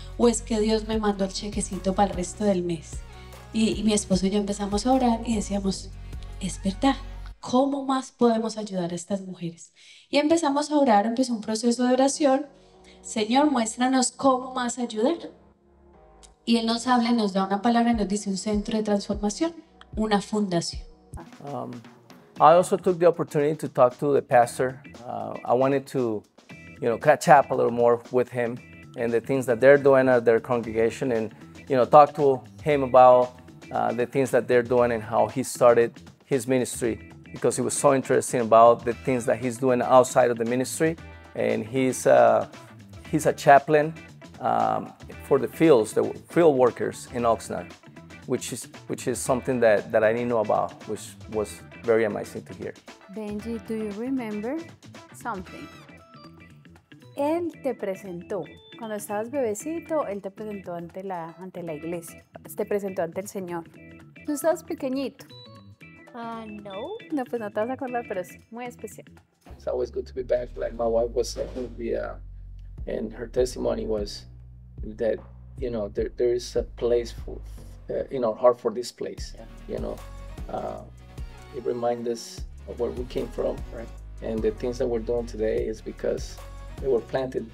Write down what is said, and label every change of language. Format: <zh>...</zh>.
<es>O es que Dios me mandó el chequecito para el resto del mes. Y mi esposo y yo empezamos a orar y decíamos, es verdad, ¿cómo más podemos ayudar a estas mujeres? Y empezamos a orar, empezó un proceso de oración. Señor, muéstranos cómo más ayudar. Y Él nos habla, nos da una palabra y nos dice un centro de transformación, una fundación.</es> <en>I also took the opportunity to talk to the pastor. I wanted to, you know, catch up a little more with him and the things that they're doing at their congregation and, you know, talk to him about the things that they're doing and how he started his ministry, because he was so interesting about the things that he's doing outside of the ministry. And he's a chaplain for the fields, the field workers in Oxnard, which is something that I didn't know about, which was very amazing to hear. Benji, do you remember something?</en> <es>Él te presentó. Cuando estabas bebecito, Él te presentó ante la iglesia. Te presentó ante el Señor. ¿Tú estabas pequeñito? No. No, pues no te vas a acordar, pero es muy especial.</es> <en>It's always good to be back. Like my wife was saying, and her testimony was that, you know, there is a place for, in our heart for this place. Yeah. You know, it reminds us of where we came from. Right. And the things that we're doing today is because they were planted.</en>